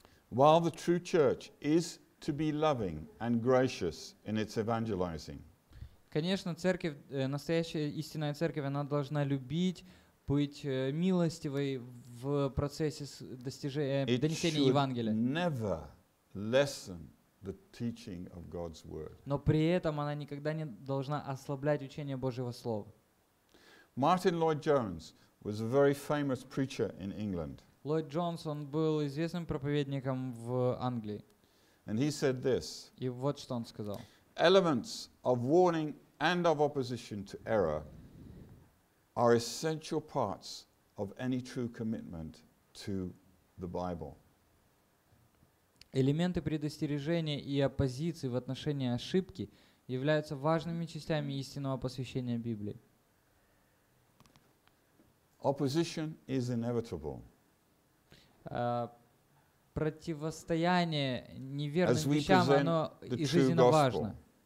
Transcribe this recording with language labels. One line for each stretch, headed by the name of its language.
English: While the true church is to be loving and gracious in its evangelizing.
Russian: Конечно, церковь, настоящая истинная церковь, она должна любить, быть милостивой в процессе достижения донесения Евангелия.
English: Never lessen the teaching of God's word.
Russian: Но при этом она никогда не должна ослаблять учение Божьего слова.
English: Martin Lloyd-Jones was a very famous preacher in England.
Russian: Ллойд Джонс был известным проповедником в Англии.
English: And he said this.
Russian: И вот что он сказал.
English: Elements of warning and of opposition to error are essential parts of any true commitment to the Bible.
Russian: Элементы предостережения и оппозиции в отношении ошибки являются важными частями истинного посвящения Библии.
English: Opposition is inevitable.
Russian: Противостояние неверным вещам, оно жизненно важно.